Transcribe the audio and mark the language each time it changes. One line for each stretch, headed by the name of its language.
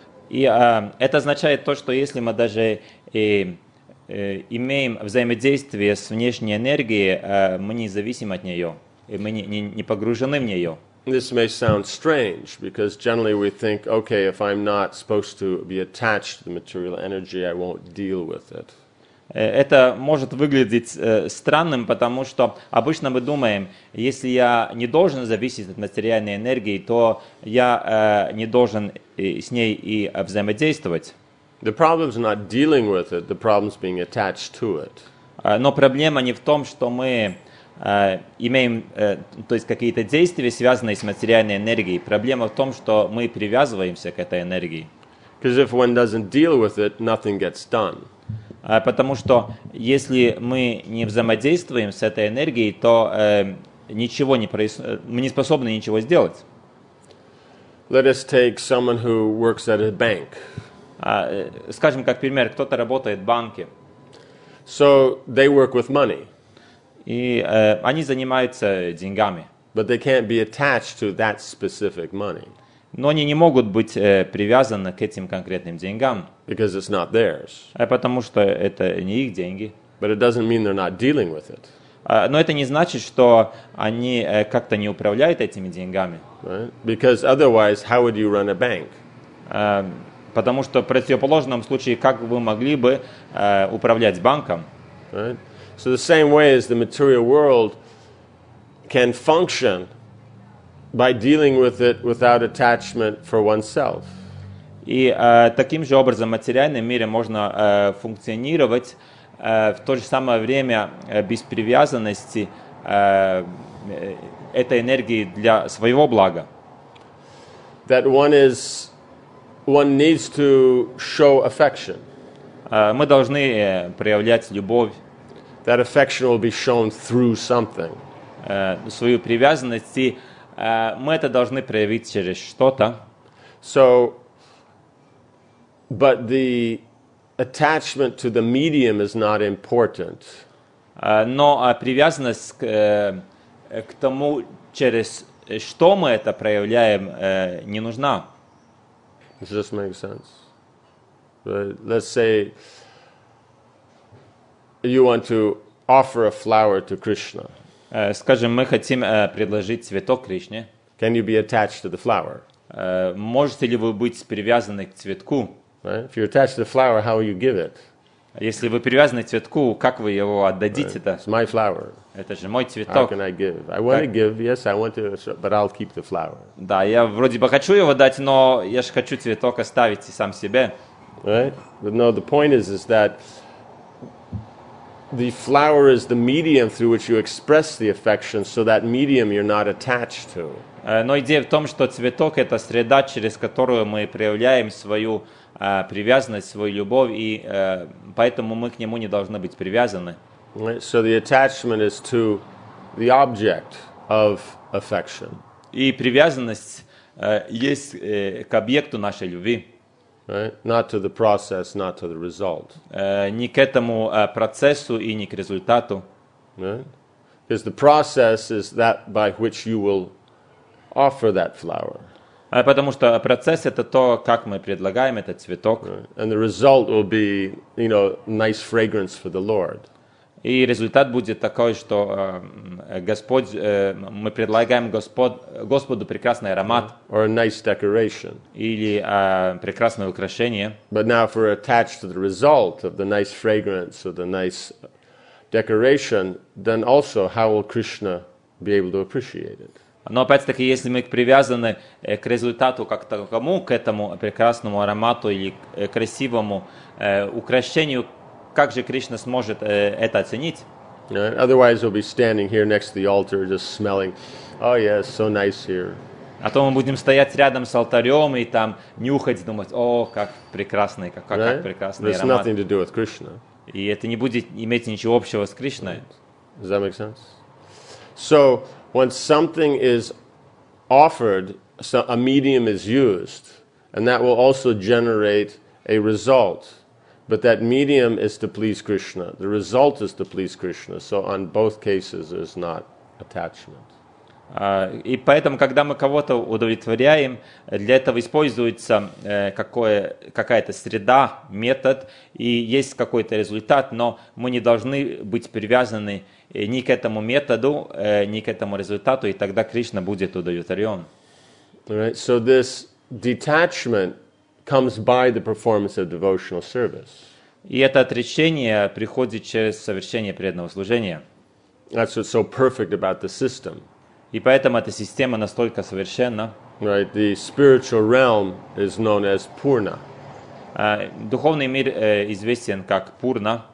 Russian: И это означает то, что если мы даже имеем взаимодействие с внешней энергией, мы не зависим от нее, и мы не погружены в нее.
English: This may sound strange, because generally we think, okay, if I'm not supposed to be attached to the material energy, I won't deal with it.
Russian: Это может выглядеть странным, потому что обычно мы думаем, если я не должен зависеть от материальной энергии, то я не должен с ней и взаимодействовать.
English: The problem is not dealing with it, the problem is being attached to it.
Russian: Но проблема не в том, что мы имеем то есть какие-то действия, связанные с материальной энергией. Проблема в том, что мы привязываемся к этой энергии.
English: Because if one doesn't deal with it, nothing gets done.
Russian: Потому что если мы не взаимодействуем с этой энергией, то ничего не мы не способны ничего сделать.
English: Let us take someone who works at a bank.
Russian: Скажем, как пример, кто-то работает в банке.
English: So they work with money.
Russian: И они занимаются деньгами.
English: But they can't be attached to that specific money.
Russian: Но они не могут быть привязаны к этим конкретным деньгам.
English: Because it's not theirs.
Russian: Потому что это не их деньги.
English: But it doesn't mean they're not dealing with it.
Russian: Но это не значит, что они как-то не управляют этими деньгами.
English: Right? Because otherwise, how would you run a bank?
Russian: Потому что в противоположном случае, как вы могли бы управлять банком?
English: Right. So the same way as the material world can function by dealing with it without attachment for oneself.
Russian: И таким же образом в материальном мире можно функционировать в то же самое время без привязанности этой энергии для своего блага.
English: That one is one needs to show affection.
Russian: Мы должны проявлять любовь.
English: That affection will be shown through something.
Russian: Свою привязанность, и мы это должны проявить через что-то.
English: So, but the attachment to the medium is not important.
Russian: Но привязанность к тому, через что мы это проявляем, не нужна.
English: Does this make sense? But let's say you want to offer a flower to Krishna.
Russian: Скажем, мы хотим предложить цветок Кришне.
English: Can you be attached to the flower?
Russian: Можете ли вы быть привязаны к цветку?
English: Right? If you're attached to the flower, how will you give it?
Russian: Если вы привязаны к цветку, как вы его отдадите это?
English: It's my flower.
Russian: Это же мой цветок.
English: How can I give? I want to give, yes, I want to, but I'll keep the flower.
Russian: Да, я вроде бы хочу его дать, но я же хочу цветок оставить и сам себе.
English: Right? But no, the point is that the flower is the medium through which you express the affection, so that medium you're not attached to.
Russian: Но идея в том, что цветок — это среда, через которую мы проявляем свою привязанность, свою любовь, и поэтому мы к нему не должны быть привязаны.
English: Right. So the attachment is to the object of affection.
Russian: И привязанность есть к объекту нашей любви.
English: Right? Not to the process, not to the result.
Russian: Не к этому процессу и не к результату.
English: Right? Because the process is that by which you will offer that flower.
Russian: Потому что процесс — это то, как мы предлагаем этот цветок.
English: Right. And the result will be, you know, nice fragrance for the Lord.
Russian: И результат будет такой, что мы предлагаем Господу прекрасный аромат.
English: Or a nice decoration.
Russian: Или прекрасное украшение.
English: But now, if we're attached to the result of the nice fragrance or the nice decoration, then also, how will Krishna be able to appreciate it?
Russian: Но опять-таки, если мы привязаны к результату как такому, к этому прекрасному аромату или красивому украшению, как же Кришна сможет это оценить?
English: Right. Otherwise, we'll be standing here next to the altar, just smelling, oh yes, so nice here.
Russian: А то мы будем стоять рядом с алтарем и там нюхать, думать, о, как прекрасный, как
English: right?
Russian: прекрасный
English: There's
Russian: аромат.
English: Nothing to do with Krishna.
Russian: И это не будет иметь ничего общего с Кришной.
English: Right. Does that make sense? So, when something is offered, so a medium is used, and that will also generate a result. But that medium is to please Krishna. The result is to please Krishna. So on both cases, there's not attachment.
Russian: И поэтому, когда мы кого-то удовлетворяем, для этого используется какая-то среда, метод, и есть какой-то результат, но мы не должны быть привязаны ни к этому методу, ни к этому результату, и тогда Кришна будет удовлетворен.
English: Right. So this detachment comes by the performance of devotional service.
Russian: И это отречение приходит через совершение преданного служения.
English: That's what's so perfect about the system.
Russian: И поэтому эта система настолько совершенна.
English: Right, the spiritual realm is known as Purna.
Russian: Духовный мир известен как Пурна.